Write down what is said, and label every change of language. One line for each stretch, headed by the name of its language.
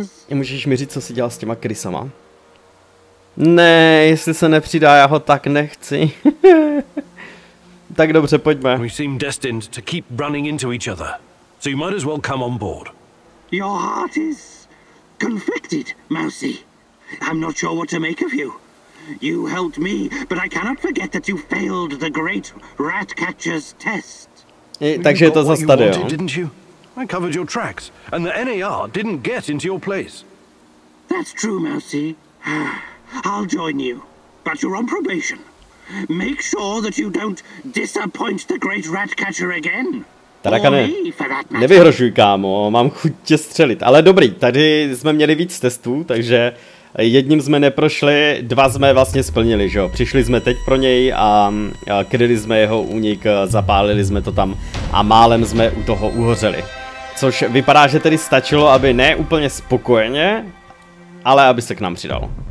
Czech: Můžeš mi říct, co si dělal s těma krysama? Ne, jestli se nepřidá, já ho tak nechci. Tak dobře, pojďme.
English: We seem destined to keep running into each other. So you might as well come on board. Your heart is conflicted, Mousy. I'm not sure what to make of you. You helped me, but I cannot forget that you failed the great rat catcher's test.
Czech: Takže to za stadion.
English: You wanted, didn't you? I covered your tracks, and the NAR didn't get into your place. That's true, Mousy. I'll join you, but you're on probation. Make sure that you don't disappoint the great rat catcher again.
Czech: Tarakane, nevyhrožuj, kámo, mám chuť tě střelit, ale dobrý, tady jsme měli víc testů, takže jedním jsme neprošli, dva jsme vlastně splnili, že jo, přišli jsme teď pro něj a kryli jsme jeho únik, zapálili jsme to tam a málem jsme u toho uhořeli, což vypadá, že tedy stačilo, aby ne úplně spokojeně, ale aby se k nám přidal.